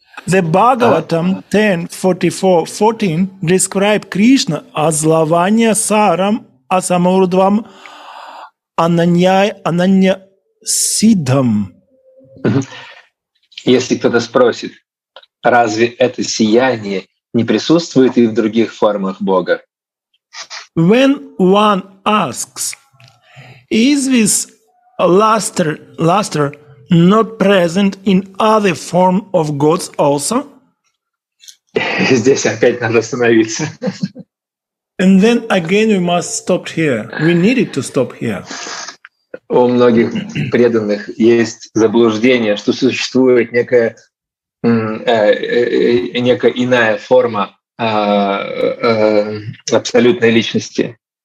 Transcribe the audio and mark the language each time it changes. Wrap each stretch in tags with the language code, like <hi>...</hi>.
<en>The Bhagavatam 10.44.14 describe Krishna as</en> <sa>lavanya saram asamurdvam ananyay ananya siddham.</sa> <ru>Если кто-то спросит, разве это сияние не присутствует и в других формах Бога?</ru> <en>When one asks, is this luster not present in other form of gods also?</en> <ru>Здесь опять надо остановиться.</ru> <en>And then again we must stop here. We needed to stop here.</en> <ru>У многих преданных есть заблуждение, что существует некая иная форма абсолютной личности.</ru>